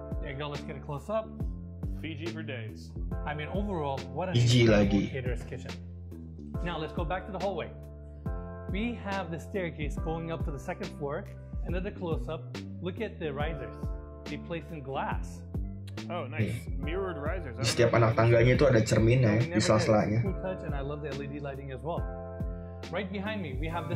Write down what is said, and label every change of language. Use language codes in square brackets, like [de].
[en] There you go, let's get a close up. Fiji for days. I mean, overall, what a caterer's kitchen. Now, let's go back to the hallway. We have the staircase going up to the second floor. Another close up, look at the risers. They placed in glass. Oh, nice. Mirrored risers. [id] Setiap anak tangganya itu ada cerminnya di sela-selanya. [en] And I love the LED lighting as well. Right behind me, we have this.